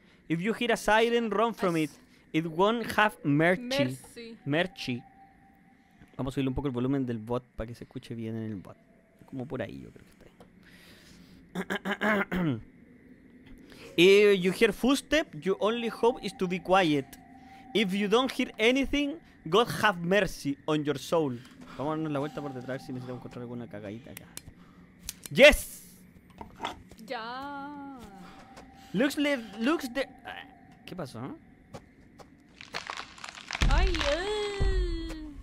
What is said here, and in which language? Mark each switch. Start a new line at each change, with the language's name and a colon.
English: If you hear a siren, run from it. It won't have mercy. Mercy.
Spanish: Vamos a subirle un poco el volumen del bot para que se escuche bien en el bot. Como por ahí, yo creo que está ahí.
English: If you hear footstep, your only hope is to be quiet. If you don't hear anything, God have mercy on your soul.
Spanish: Vamos a darnos la vuelta por detrás si necesitamos encontrar alguna cagadita acá.
English: ¡Yes!
Spanish: ¡Ya!
English: Looks the...
Spanish: ¿Qué pasó? ¡Ay, ay!